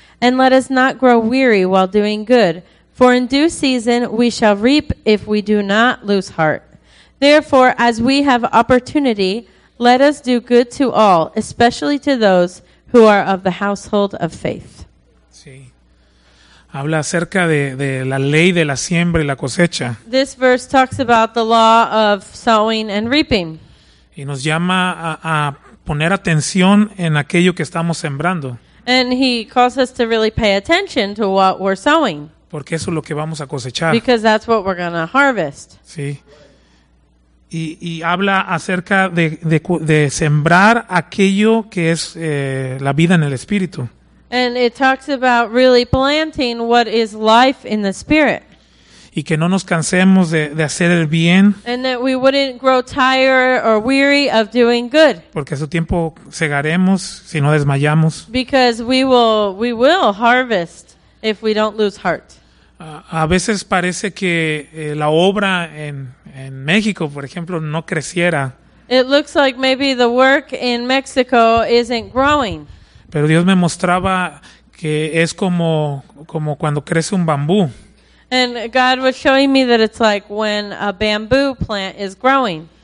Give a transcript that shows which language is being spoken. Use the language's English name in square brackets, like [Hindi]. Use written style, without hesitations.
[English] And let us not grow weary while doing good, for in due season we shall reap if we do not lose heart. Therefore, as we have opportunity, let us do good to all, especially to those who are of the household of faith." [Spanish] Habla acerca de la ley de la siembra y la cosecha. [English] This verse talks about the law of sowing and reaping. [Spanish] Y nos llama a poner atención en aquello que estamos sembrando. [English] And he calls us to really pay attention to what we're sowing. [Spanish] Porque eso es lo que vamos a cosechar. [English] Because that's what we're going to harvest. [Spanish] Sí. Y habla acerca de sembrar aquello que es la vida en el Espíritu. [English] And it talks about really planting what is life in the Spirit. [Spanish] Y que no nos cansemos de hacer el bien. [English] And that we wouldn't grow tired or weary of doing good. [Spanish] Porque a su tiempo segaremos si no desmayamos. [English] Because we will harvest if we don't lose heart. [Spanish] A veces parece que la obra en México, por ejemplo, no creciera. [English] It looks like maybe the work in Mexico isn't growing. [Spanish] Pero Dios me mostraba que es como cuando crece un bambú. [English] And God was showing me that it's like when a bamboo plant is growing.